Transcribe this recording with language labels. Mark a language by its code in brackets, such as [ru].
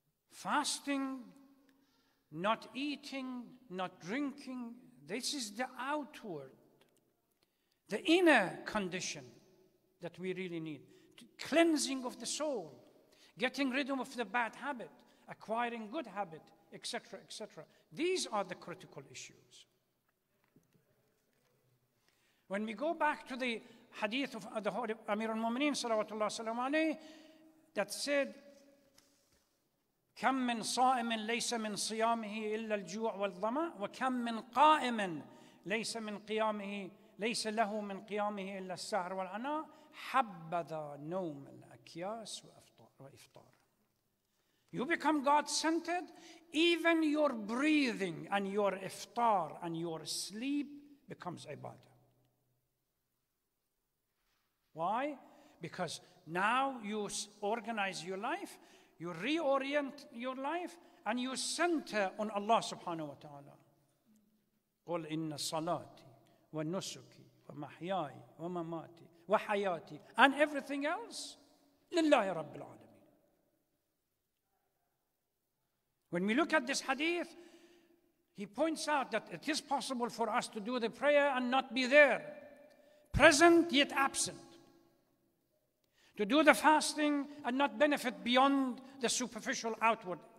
[en] Fasting, not eating, not drinking, this is the outward, the inner condition that we really need. Cleansing of the soul, getting rid of the bad habit, acquiring good habit, etc., etc. These are the critical issues. When we go back to the hadith of the Holy Amir al-Mu'mineen, salawatullah salam alayhi, that said, [ar] كَمْ مِنْ صَائِمٍ لَيْسَ مِنْ صِيَامِهِ إِلَّا الْجُوعُ وَالْضَمَأُ وَكَمْ مِنْ قَائِمٍ لَيْسَ مِنْ قِيَامِهِ لَيْسَ لَهُ مِنْ قِيَامِهِ إِلَّا السَّهْرُ وَالْعَنَاءُ حَبَّذَا نَوْمَ الْأَكْيَاسُ وَإِفْطَارُ. [en] You become God-centered, even your breathing and your iftar and your sleep becomes ibadah. Why? Because now you organize your life, you reorient your life, and you center on Allah subhanahu wa ta'ala. [ar] قُلْ إِنَّ صَلَاتِي وَنُسُكِي وَمَحْيَايِ وَمَمَاتِي وَحَيَاتِي [en] and everything else, [ar] لِلَّهِ رَبِّ الْعَالَمِينَ. [en] When we look at this hadith, he points out that it is possible for us to do the prayer and not be there. Present yet absent. To do the fasting and not benefit beyond the superficial outward.